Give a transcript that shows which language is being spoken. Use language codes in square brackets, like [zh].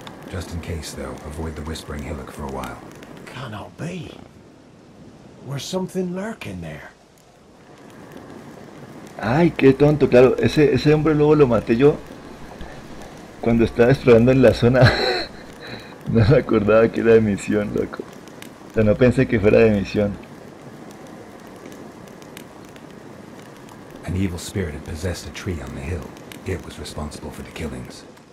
[en] Just in case, though, avoid the whispering hillock for a while. Cannot be. Where's something lurking there? [es] Ay, qué tonto, claro, ese hombre lobo lo maté yo cuando estaba explorando en la zona. No me acordaba que era de misión, loco. O sea, no pensé que fuera de misión. [en] An evil spirit had possessed a tree on the hill. It was responsible for the killings.